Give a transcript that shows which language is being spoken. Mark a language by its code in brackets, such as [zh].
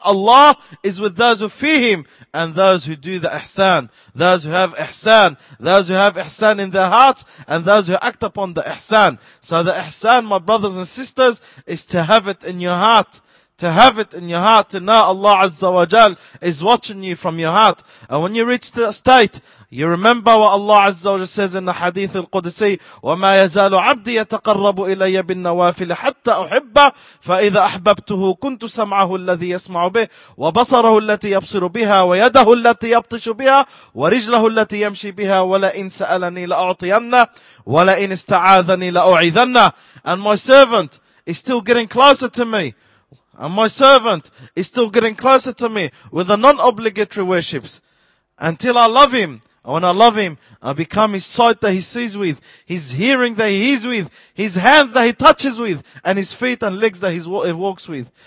[en] Allah is with those who fear Him and those who do the ihsan, those who have ihsan, those who have ihsan in their hearts, and those who act upon the ihsan. So the ihsan, my brothers and sisters, is to have it in your heart. To have it in your heart, to know Allah Azza wa Jal is watching you from your heart. And when you reach that state, you remember what Allah Azza wa Jal says in the Hadith al-Qudsi, [ar] وَمَا يَزَالُ عَبْدِي يَتَقَرَّبُ إِلَيَّ بِالنَّوَافِلِ حَتَّى أُحِبَّهُ فَإِذَا أَحْبَبْتُهُ كُنْتُ سَمْعَهُ الَّذِي يَسْمَعُ بِهِ وَبَصَرَهُ الَّتِي يَبْصِرُ بِهَا وَيَدَهُ الَّتِي يَبْطِشُ بِهَا وَرِجْلَهُ الَّتِي يَمْشِي بِهَا وَلَئِن سَأَلَنِي لَأُعْطِيَنَّهُ وَلَئِن اسْتَعَاذَنِي لَأُعِيذَنَّهُ. [en] And my servant is still getting closer to me. And my servant is still getting closer to me with the non-obligatory worships. Until I love him. And when I love him, I become his sight that he sees with, his hearing that he hears with, his hands that he touches with, and his feet and legs that he walks with.